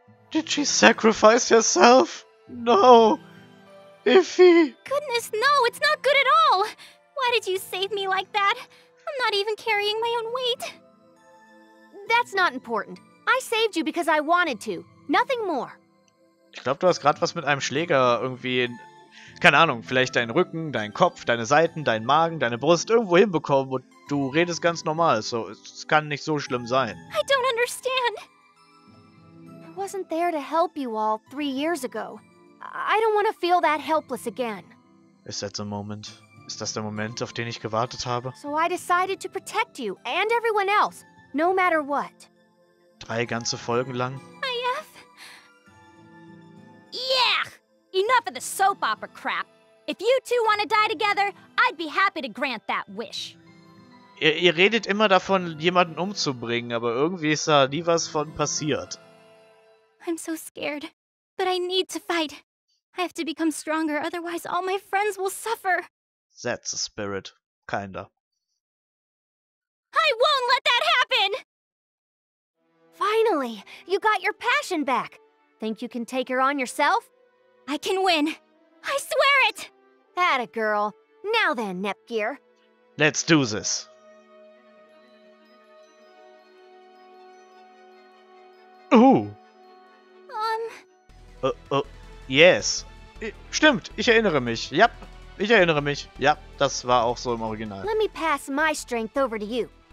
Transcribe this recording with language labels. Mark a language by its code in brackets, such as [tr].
[en] Did she sacrifice herself? No! Iffy! Goodness, no! It's not good at all! Why did you save me like that? I'm not even carrying my own weight. That's not important. I saved you because I wanted to. Nothing more. [de] Ich glaube, du hast gerade was mit einem Schläger irgendwie in... Keine Ahnung, vielleicht deinen Rücken, deinen Kopf, deine Seiten, deinen Magen, deine Brust irgendwo hinbekommen und du redest ganz normal. So, es kann nicht so schlimm sein. [en] I don't understand. I wasn't there to help you all 3 years ago. I don't want to feel that helpless again. Is that the moment? [de] Ist das der Moment, auf den ich gewartet habe? [en] So I decided to protect you and everyone else, no matter what. [de] 3 ganze Folgen lang? [en] Yeah! Enough of the soap opera crap. If you two want to die together, I'd be happy to grant that wish. [de] Ihr redet immer davon, jemanden umzubringen, aber irgendwie ist da nie was von passiert. [en] I'm so scared, but I need to fight. I have to become stronger, otherwise all my friends will suffer. That's the spirit, kinda. I won't let that happen! Finally, you got your passion back. Think you can take her on yourself? I can win. I swear it! Atta girl. Now then, Nepgear. Let's do this. Ooh. Yes. [de] Stimmt, ich erinnere mich. Yep, ich erinnere mich. Yep, das war auch so im Original. [en] Let me pass my strength over to you.